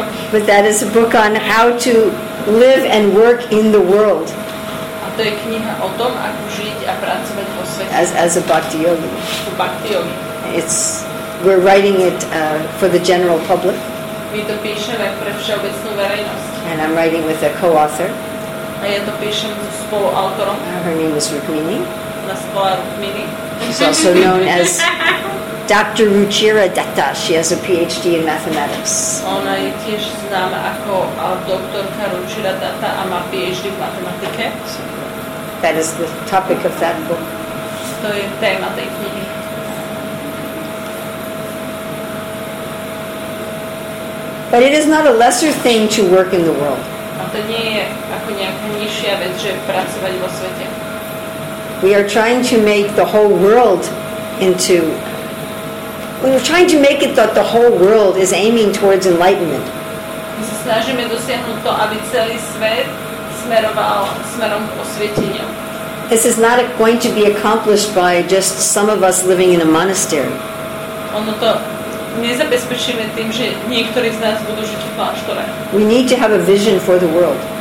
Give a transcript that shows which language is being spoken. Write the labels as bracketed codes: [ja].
[en] But that is a book on how to live and work in the world. [sk] A to je kniha o tom, ako žiť a pracovať vo svete. [en] As a bhakti yogi. [sk] Bhakti yogi. [en] We're writing it for the general public. [sk] My to píšeme pre všeobecnú verejnosť. [en] And I'm writing with a co-author. [sk] A ja to píšem so spoluautorom. [en] Her name is Rukmini. [sk] Ona sa volá Rukmini. [en] She's also known as Dr. Ruchira Datta. She has a PhD in mathematics. [sk] Ona je tiež známa ako doktorka Ruchira Datta a má PhD v matematike. [en] That is the topic of that book. [sk] To je téma tej knihy. [en] But it is not a lesser thing to work in the world. [sk] A to nie je ako nejaká nižšia vec, že pracovať vo svete. [en] We are trying to make the whole world into when we're trying to make it that the whole world is aiming towards enlightenment. [sk] My sa snažíme dosiahnuť to, aby celý svet smerom k osvieteniu. [en] This is not going to be accomplished by just some of us living in a monastery. [sk] Ono to nezabezpečíme tým, že niektorí z nás budú žiť v kláštore. [en] We need to have a vision for the world.